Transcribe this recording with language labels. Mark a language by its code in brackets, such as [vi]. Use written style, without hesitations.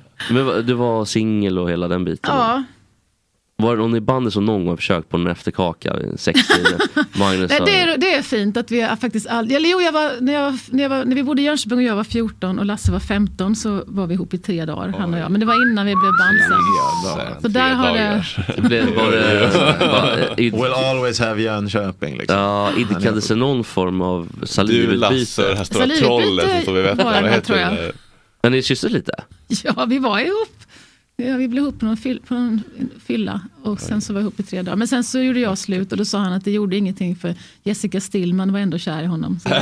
[sv] Men du var singel och hela den biten? Ja. Var det någon i bandet som någon gång försökt på en efterkaka i sextiden? Nej, det är fint att vi är faktiskt aldrig... när vi bodde i Jönköping och jag var 14 och Lasse var 15 så var vi ihop i 3 dagar, han och jag. Men det var innan vi blev band sen. Så där har det... [en] We'll always have Jönköping. [sv] Liksom. Ja, idkade sig någon form av salivutbyte. Du, Lasse, det här stora trollet som vi vet. Vad heter det? Men ni kysser lite? Ja, vi var ihop. Ja, vi blev ihop på någon fylla och sen så var vi ihop i 3 dagar. Men sen så gjorde jag slut och då sa han att det gjorde ingenting för Jessica Stillman var ändå kär i honom.